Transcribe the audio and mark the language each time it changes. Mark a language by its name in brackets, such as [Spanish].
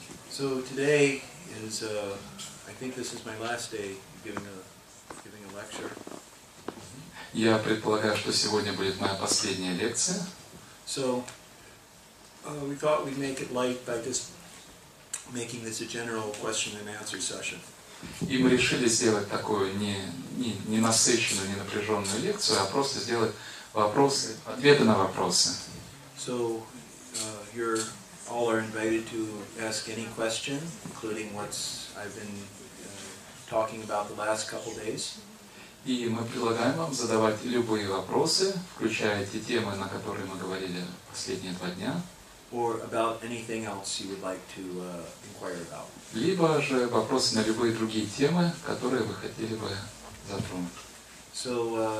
[English] So today is, I think this is my last day giving a lecture. [Russian] Я предполагаю, что сегодня будет моя последняя лекция. [English] So, we thought we'd make it light by just making this a general question and answer session. [Russian] И мы решили сделать такую не насыщенную, не напряженную лекцию, а просто сделать вопросы, ответы на вопросы. [English] So, you're all are invited to ask any question, including what I've been talking about the last couple days. [Russian] И мы предлагаем вам задавать любые вопросы, включая те темы, на которые мы говорили последние два дня. [English] Or about anything else you would like to inquire about. [Russian] Либо же вопросы на любые другие темы, которые вы хотели бы затронуть.